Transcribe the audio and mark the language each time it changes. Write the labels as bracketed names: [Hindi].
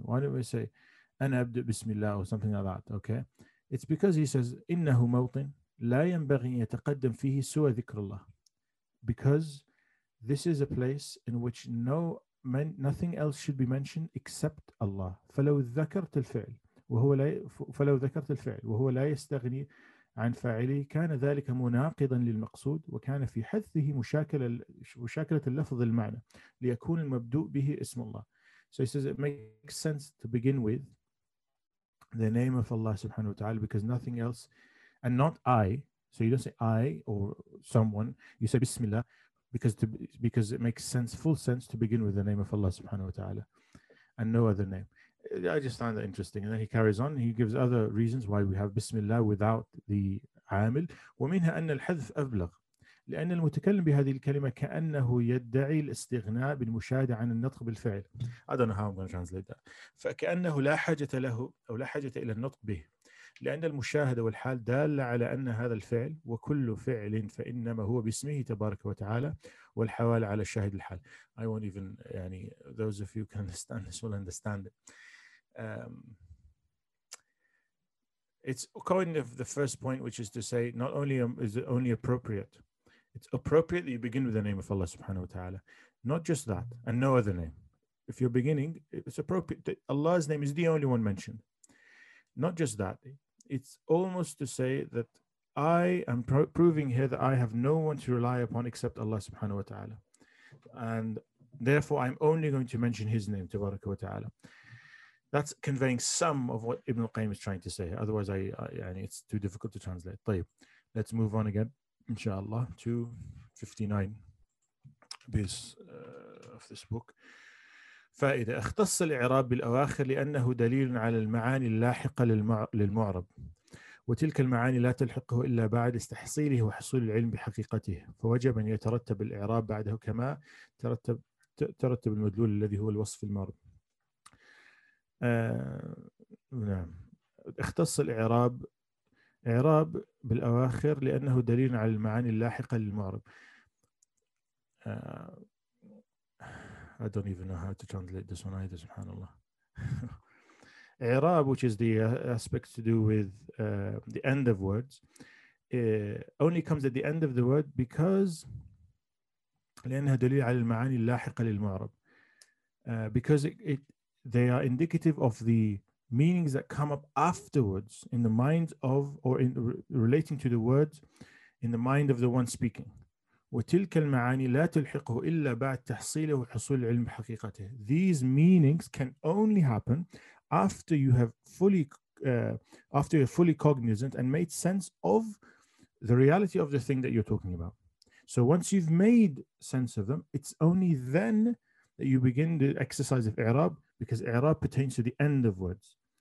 [English] Why don't we say [Arabic] أنا أبدأ بسم الله [English] or something like that? Okay, it's because he says [Arabic] إنه موطن لا ينبغي يتقدم فيه سوى ذكر الله, [English] because this is a place in which nothing else should be mentioned except Allah. [Arabic] فلو ذكرت الفعل وهو لا يستغني عن فاعله كان ذلك مناقضا للمقصود وكان في حثه مشاكلة اللفظ المعنى ليكون المبدوء به اسم الله. [English] So he says it makes sense to begin with the name of Allah subhanahu wa ta'ala, because nothing else, and not I. So you don't say I or someone, you say Bismillah, because it makes sense, full sense, to begin with the name of Allah subhanahu wa ta'ala. and no other name. I just find that interesting. And then he carries on. He gives other reasons why we have Bismillah without the عامل. [Arabic] ومنها أن الحذف أبلغ لأن المتكلم بهذه الكلمة كأنه يدعي الاستغناء بالمشاهدة عن النطق بالفعل. [English] I don't know how I'm going to translate that. [Arabic] فكأنه لا حاجة له أو لا حاجة إلى النطق به لأن المشاهدة والحال دالة على أن هذا الفعل وكل فعل فإنما هو باسمه تبارك وتعالى والحوال على الشاهد الحال. [English] I won't even, يعني, those of you can understand this will understand it. It's kind of the first point, which is to say, not only is it only appropriate, it's appropriate that you begin with the name of Allah subhanahu wa ta'ala. Not just that, and no other name. If you're beginning, it's appropriate that Allah's name is the only one mentioned. Not just that, it's almost to say that I am proving here that I have no one to rely upon except Allah subhanahu wa ta'ala. And therefore, I'm only going to mention His name, tabaraka wa ta'ala. That's conveying some of what Ibn al-Qayyim is trying to say. Otherwise, I it's too difficult to translate. طيب, let's move on again, inshallah, to 59 of this book. [Arabic] فائدة اختص الإعراب بالأواخر لأنه دليل على المعاني اللاحقة للمعرب وتلك المعاني لا تلحقه إلا بعد استحصيله وحصول العلم بحقيقته فوجب أن يترتب الإعراب بعده كما ترتب المدلول الذي هو الوصف المعرب. نعم. اختص الإعراب إعراب بالأواخر لأنه دليل على المعاني اللاحقة للمعرب. [English] I don't even know how to translate this one either, subhanAllah. إعراب, which is the aspect to do with the end of words, only comes at the end of the word [Arabic] لأنها دليل على المعاني اللاحقة للمعرب. [English] Because they are indicative of the meanings that come up afterwards in the mind of, or in relating to the words in the mind of the one speaking. [Arabic] وتلك المعاني لا تلحقه إلا بعد تحصيله وحصول العلم حقيقته. [English] These meanings can only happen after you have fully cognizant and made sense of the reality of the thing that you're talking about. So once you've made sense of them, it's only then that you begin the exercise of إعراب, because إعراب pertains to the end of words.